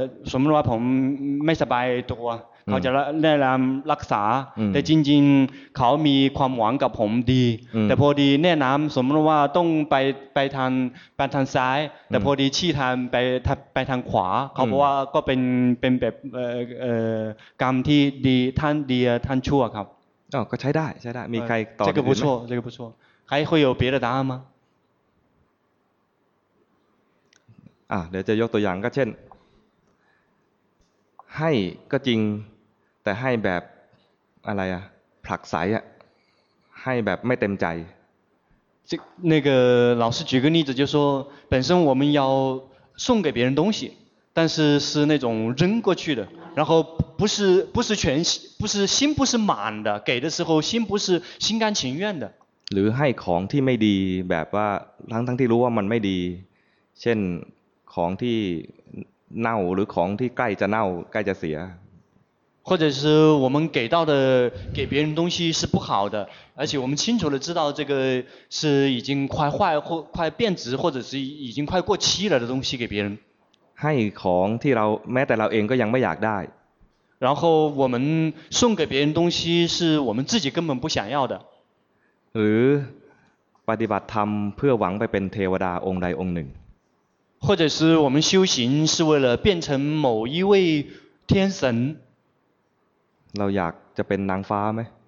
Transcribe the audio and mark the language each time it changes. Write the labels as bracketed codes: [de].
[th] สมมติว่าผมไม่สบายตัวเขาจะแนะนำรักษาแต่จริงๆเขามีความหวังกับผมดีแต่พอดีแนะนำสมมติว่าต้องไปทางซ้ายแต่พอดีชี้ทางไปทางขวาเขาบอกว่าก็เป็นแบบกรรมที่ดีท่านดีท่านชั่วครับ อ๋อก็ใช้ได้มีใครตอบ [zh] 这个不错这个不错还会有别的答案吗 [th] เดี๋ยวจะยกตัวอย่างก็เช่นให้ก็จริงแต่ให้แบบอะไรอ่ะผลักไสอ่ะให้แบบไม่เต็มใจ [zh] 那个老师举个例子就说本身我们要送给别人东西但是是那种扔过去的然后不是全不是心不是满的给的时候心不是心甘情愿的 [th] หรือให้ของที่ไม่ดีแบบว่าทั้งที่รู้ว่ามันไม่ดีเช่นของที่เน่าหรือของที่ใกล้จะเน่าใกล้จะเสีย [zh] 或者是我们给到的给别人东西是不好的而且我们清楚地知道这个是已经快坏或快变质或者是已经快过期了的东西给别人 [th] ให้ของที่เราแม้แต่เราเองก็ยังไม่อยากได้ [zh] 然后我们送给别人东西是我们自己根本不想要的。 [th] หรือปฏิบัติธรรมเพื่อหวังไปเป็นเทวดาองค์ใดองค์หนึ่ง [zh] 或者是我们修行是为了变成某一位天神。 [th] เราอยากจะเป็นนางฟ้าไหม